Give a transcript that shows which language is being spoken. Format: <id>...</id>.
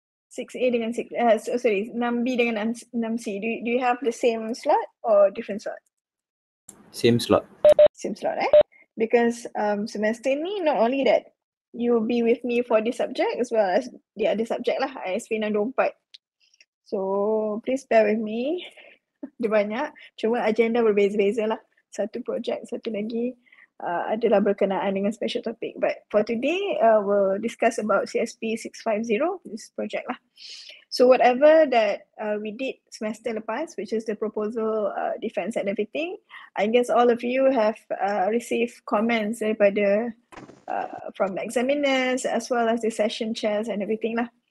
<ms>6A dengan 6, sorry, 6B dengan 6C.</ms> <en>Do you have the same slot or different slot? Same slot. Same slot, eh? Because semester ni not only that, you'll be with me for this subject as well as the other subject lah, ISP 624. So please bear with me.</en> <ms>Dia banyak, cuma agenda berbeza-beza lah. Satu project, satu lagi adalah berkenaan dengan special topic.</ms> <en>But for today, we'll discuss about CSP 650, this project lah. So whatever that we did</en> <ms>semester lepas,</ms> <en>which is the proposal, defense and everything, I guess all of you have received comments daripada from the examiners as well as the session chairs and everything lah.</en>